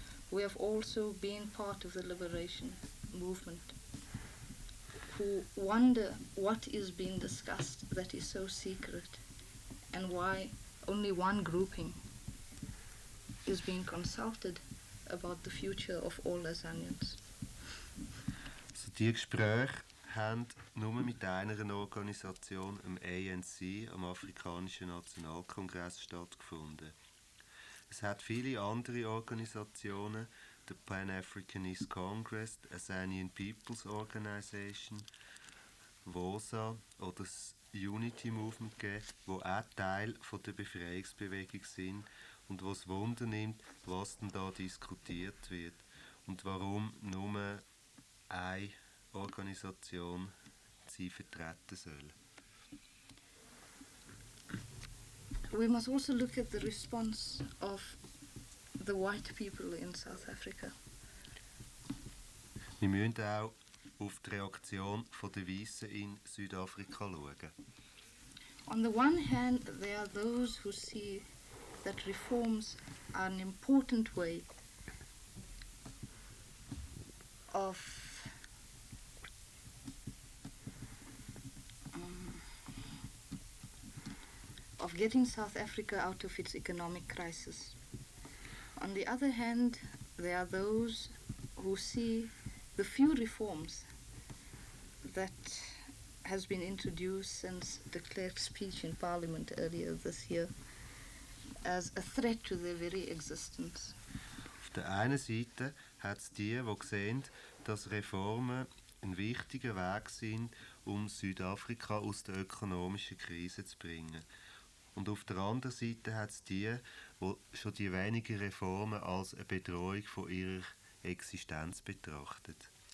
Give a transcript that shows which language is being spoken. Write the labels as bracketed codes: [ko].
[en] We have also been part of the Liberation Movement, who wonder what is being discussed that is so secret and why only one grouping is being consulted about the future of all Lasagnians. [de] So die Gespräche haben nur mit einer Organisation, dem ANC, am Afrikanischen Nationalkongress stattgefunden. Es hat viele andere Organisationen, der Pan-Africanist Congress, die Lasagnian People's Organization, WOSA oder das Unity Movement gegeben, wo auch Teil von der Befreiungsbewegung sind und was Wunder nimmt, was denn da diskutiert wird und warum nur eine Organisation sie vertreten soll. [en] We must also look at the response of the white people in South Africa. [de] Wir müssen auch auf die Reaktion von den Weißen in Südafrika schauen. [en] On the one hand, there are those who see that reforms are an important way of of getting South Africa out of its economic crisis. On the other hand, there are those who see the few reforms that has been introduced since the Klerk's speech in Parliament earlier this year as a threat to their very existence. [de] Auf der einen Seite hat es die, die sehen, dass Reformen ein wichtiger Weg sind, um Südafrika aus der ökonomischen Krise zu bringen. Und auf der anderen Seite hat es die, die schon die wenigen Reformen als eine Bedrohung von ihrer Existenz betrachtet.